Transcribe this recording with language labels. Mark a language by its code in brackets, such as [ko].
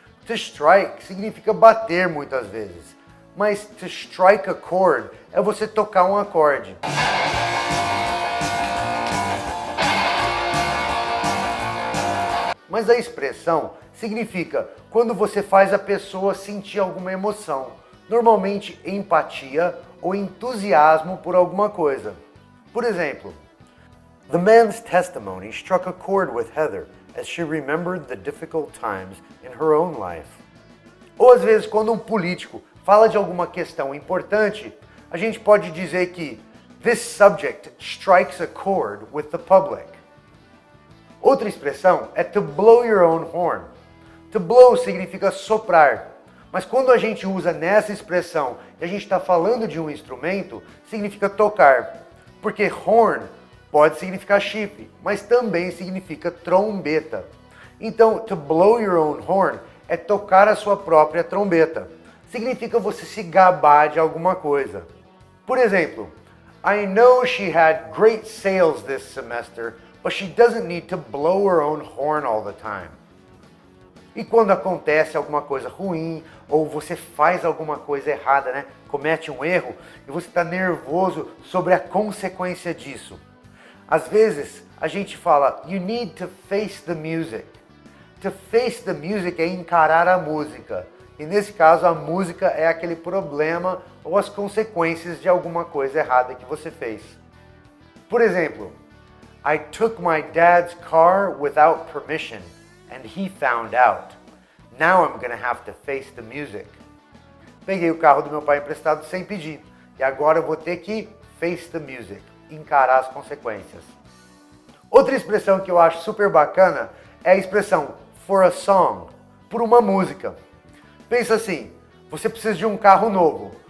[pt] To strike significa bater muitas vezes, mas to strike a chord é você tocar um acorde. Mas a expressão significa quando você faz a pessoa sentir alguma emoção. Normalmente empatia ou entusiasmo por alguma coisa. Por exemplo, [en] the man's testimony struck a chord with Heather as she remembered the difficult times in her own life. [pt] Ou às vezes, quando um político fala de alguma questão importante, a gente pode dizer que [en] this subject strikes a chord with the public. [pt] Outra expressão é to blow your own horn. To blow significa soprar. Mas quando a gente usa nessa expressão e a gente está falando de um instrumento, significa tocar. Porque horn pode significar chifre, mas também significa trombeta. Então, to blow your own horn é tocar a sua própria trombeta. Significa você se gabar de alguma coisa. Por exemplo, [en] I know she had great sales this semester, but she doesn't need to blow her own horn all the time. [pt] E quando acontece alguma coisa ruim, ou você faz alguma coisa errada, né? Comete um erro, e você está nervoso sobre a consequência disso. Às vezes, a gente fala, [en] you need to face the music. [pt] To face the music é encarar a música. E nesse caso, a música é aquele problema ou as consequências de alguma coisa errada que você fez. Por exemplo, [en] I took my dad's car without permission. And he found out. Now I'm gonna have to face the music. [pt] Peguei o carro do meu pai emprestado sem pedir. E agora eu vou ter que face the music. Encarar as consequências. Outra expressão que eu acho super bacana é a expressão for a song. Por uma música. Pensa assim. Você precisa de um carro novo.